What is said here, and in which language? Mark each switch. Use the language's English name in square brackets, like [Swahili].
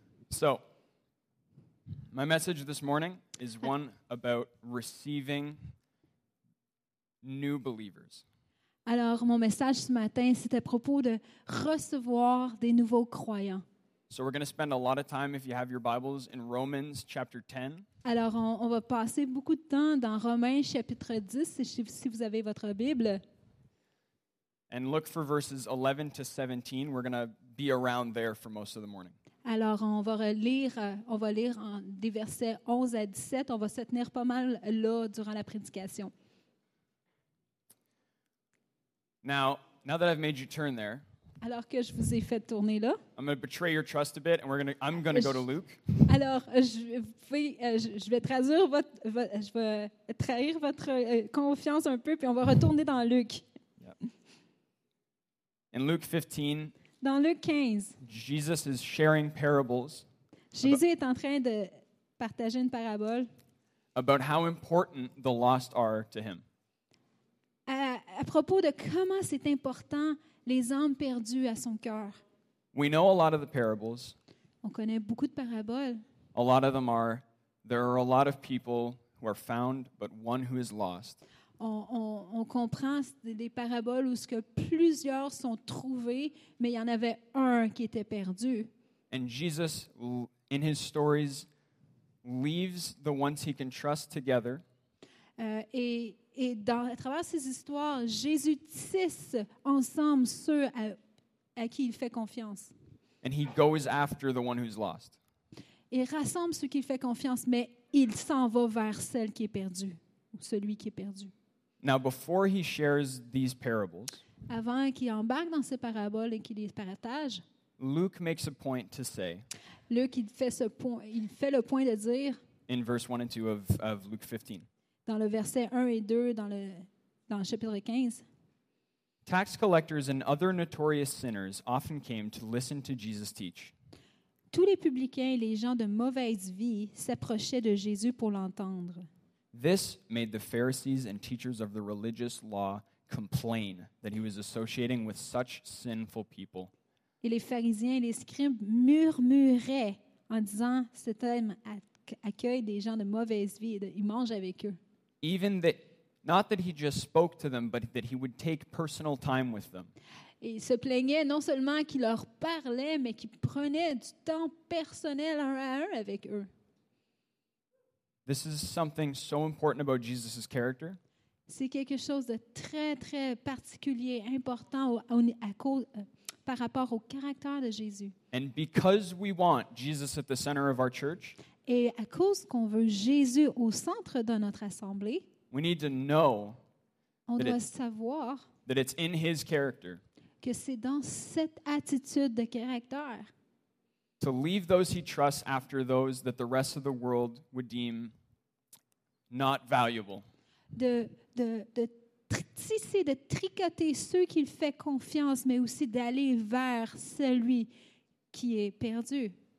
[English] So, my message this morning is one about receiving new believers. [French] Alors, mon message ce matin, c'est à propos de recevoir des nouveaux croyants. [English] So we're going to spend a lot of time, if you have your Bibles, in Romans chapter 10. [French] Alors, on va passer beaucoup de temps dans Romains chapitre 10, si vous avez votre Bible. [English] And look for verses 11 to 17. We're going to be around there for most of the morning. [French] Alors, on va lire des versets 11 à 17. On va se tenir pas mal là durant la prédication. [English] Now that I've made you turn there, [French] alors que je vous ai fait tourner là, [English] I'm going to betray your trust a bit, and I'm going to go to Luke. [French] Alors, je vais trahir votre confiance un peu, puis on va retourner dans Luke. [English] Yep. In Luke 15. [French] Dans Luc 15, [English] Jesus is sharing parables. [French] Jésus est en train de partager une parabole. [English] About how important the lost are to him. [French] À propos de comment c'est important les âmes perdues à son cœur. [English] We know a lot of the parables. [French] On connaît beaucoup de paraboles. [English] A lot of them are there are a lot of people who are found, but one who is lost. [French] On comprend des paraboles où ce que plusieurs sont trouvés, mais il y en avait un qui était perdu. [English] And Jesus, in his stories, leaves the ones he can trust together. [French] Et à travers ces histoires, Jésus tisse ensemble ceux à qui il fait confiance. [English] And he goes after the one who's lost. [French] Il rassemble ceux qu'il fait confiance, mais il s'en va vers celle qui est perdue ou celui qui est perdu. [English] Now, before he shares these parables, [French] avant qu'il embarque dans ces paraboles et qu'il les partage, [English] Luke makes a point to say. [French] Luke, il fait le point de dire. [English] In verse 1 and 2 of Luke 15. [French] Dans le verset 1 et 2 dans le chapitre 15. [English] Tax collectors and other notorious sinners often came to listen to Jesus teach. [French] Tous les publicains et les gens de mauvaise vie s'approchaient de Jésus pour l'entendre. [English] This made the Pharisees and teachers of the religious law complain that he was associating with such sinful people. [French] Et les pharisiens et les scribes murmuraient en disant, cet homme accueille des gens de mauvaise vie et il mange avec eux. [English] Even that, not that he just spoke to them, but that he would take personal time with them. [French] Et ils se plaignaient non seulement qu'il leur parlait, mais qu'il prenait du temps personnel un à un avec eux. [English] This is something so important about Jesus' character. [French] C'est quelque chose de très très particulier, important par rapport au caractère de Jésus. [English] And because we want Jesus at the center of our church, et à cause qu'on veut Jésus au centre de notre assemblée, we need to know that it's in his character. [French] Que c'est dans cette attitude de caractère. [English] To leave those he trusts after those that the rest of the world would deem not valuable. [French] De tricoter ceux qu'il fait confiance, mais aussi d'aller vers celui qui est perdu.